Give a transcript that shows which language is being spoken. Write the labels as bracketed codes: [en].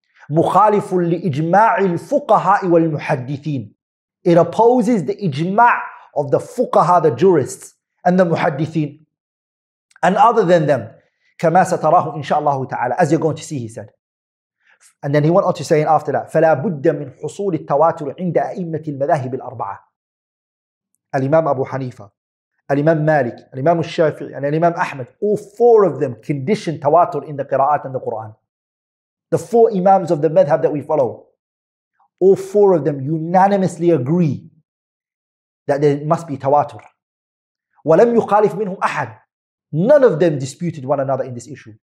[ar] مخالف لإجماع الفقهاء والمحدثين. [en] It opposes the ijma' of the fuqaha, the jurists, and the muhaddithin, and other than them. [ar] كما ستراه إن شاء الله تعالى. [en] As you're going to see, he said. And then he went on to say after that, [ar] فلا بد من حصول التواتر عند أئمة المذاهب الأربعة. الإمام أبو حنيفة, الإمام مالك, الإمام الشافعي, and الإمام أحمد. [en] All four of them condition tawatur in the qira'at and the Quran. The four imams of the madhab that we follow. All four of them unanimously agree that there must be tawatur. [ar] وَلَمْ يُخَالِفْ مِنْهُمْ أَحَدٌ. [en] None of them disputed one another in this issue.